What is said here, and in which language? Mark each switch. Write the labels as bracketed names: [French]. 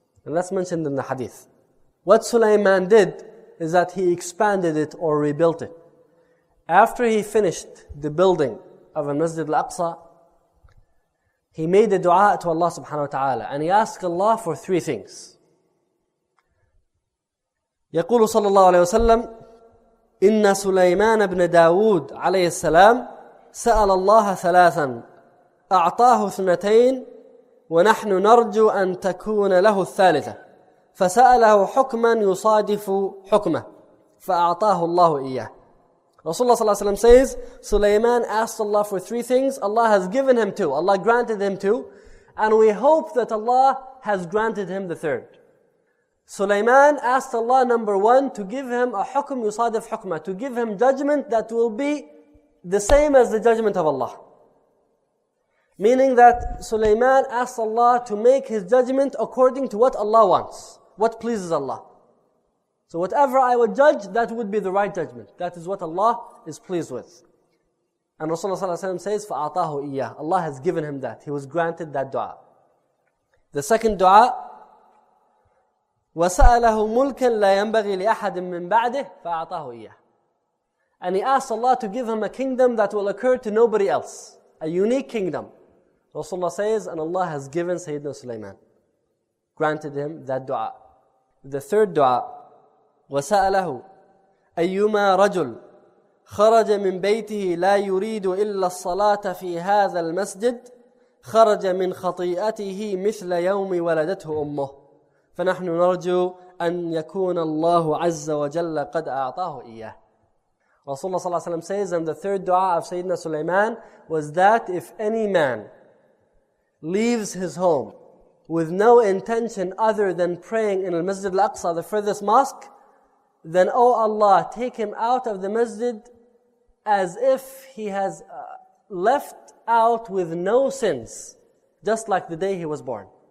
[English] And that's mentioned in the hadith. What Sulaiman did is that he expanded it or rebuilt it. After he finished the building of Masjid al-Aqsa, he made a dua to Allah subhanahu wa ta'ala, and he asked Allah for three things. [Arabic] يقول صلى الله عليه وسلم إن سليمان بن داود عليه السلام سأل الله ثلاثا أعطاه اثنتين ونحن نرجو أن تكون له الثالثة فسأله حكما يصادف حكمه فأعطاه الله إياه. رسول الله صلى الله عليه وسلم [English] says سليمان asked Allah for three things. Allah has given him two. Allah granted him two. And we hope that Allah has granted him the third. Sulaiman asked Allah, number one, to give him a [Arabic] hukm yusadif hukma, [English] to give him judgment that will be the same as the judgment of Allah. Meaning that Sulaiman asked Allah to make his judgment according to what Allah wants, what pleases Allah. So whatever I would judge, that would be the right judgment. That is what Allah is pleased with. And Rasulullah sallallahu alayhi wa sallam says, [Arabic] فَأَعْطَاهُ إِيَّهُ. [English] Allah has given him that. He was granted that dua. The second dua, [Arabic] وَسَأَلَهُ مُلْكًا لَا يَنْبَغِي لِأَحَدٍ مِّن بَعْدِهِ فَأَعْطَاهُ إِيَّهُ. [English] And he asked Allah to give him a kingdom that will occur to nobody else. A unique kingdom. Rasulullah says, and Allah has given Sayyidina Sulaiman. Granted him that dua. The third dua, [Arabic] وَسَأَلَهُ أَيُّمَا رَجُلٌ خرج من بيته لا يريد إلا الصلاة في هذا المسجد خرج من خطيئته مثل يوم ولدته أمه فنحن نرجو أن يكون الله عز وجل قد أعطاه إياه. رسول الله صلى الله عليه وسلم [English] says, and the third dua of Sayyidina Sulaiman was that if any man leaves his home with no intention other than praying in Al-Masjid Al-Aqsa, the furthest mosque, then O Allah, take him out of the masjid as if he has left out with no sins, just like the day he was born.